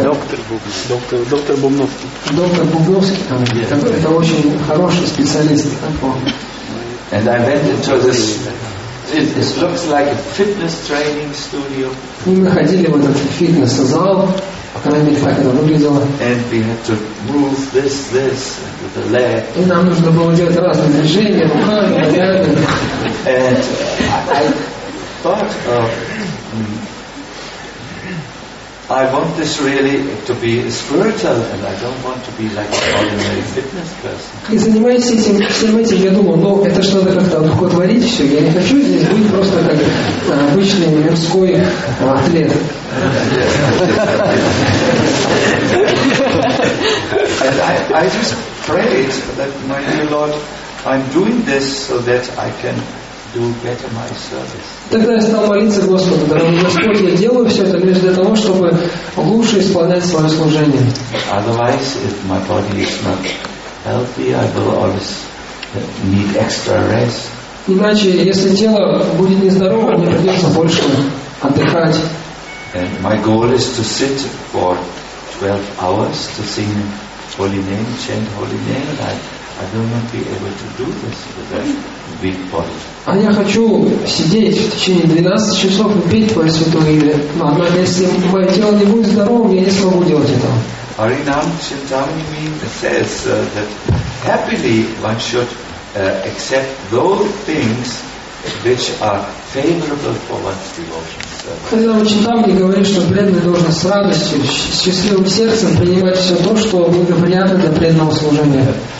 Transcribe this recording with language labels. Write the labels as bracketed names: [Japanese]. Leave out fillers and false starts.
[Russian] Доктор Бубновский. Доктор Бубновский. Это очень хороший специалист. [English] And I went into this. It looks like a fitness training studio. [Russian] Мы находили в этот фитнес-зал, по крайней мере, так это выглядело. [English] And we had to move this with the leg. [Russian] И нам нужно было делать разные движения руками, ногами. [English] And I thought, I want this really to be spiritual, and I don't want to be like an ordinary fitness person. [Russian] И занимаясь этим, всем этим, я думал, ну это что надо как-то духотворить все. Я не хочу здесь быть просто как обычный мирской атлет. [English] And I just prayed that my dear Lord, I'm doing this so that I can do better my service. [Russian] Тогда я стал молиться Господу, дорогой Господь, я делаю все это лишь для того, чтобы лучше исполнять свое служение. [English] Otherwise, if my body is not healthy, I will always need extra rest. [Russian] Иначе, если тело будет нездоровым, мне придется больше отдыхать. [English] And my goal is to sit for 12 hours to sing holy name, chant holy name. I will not be able to do this with a weak body. [Russian] А я хочу сидеть в течение 12 часов и петь Твое Святое Имя. Но однако, если мое тело не будет здоровым, я не смогу делать этого. [English] Аринам Чинтамни says that happily one should accept those things which are favorable for one's devotion. [Russian] Аринам Чинтамни говорит, что преданный должен с радостью, с счастливым сердцем принимать все то, что благоприятно для преданного служения.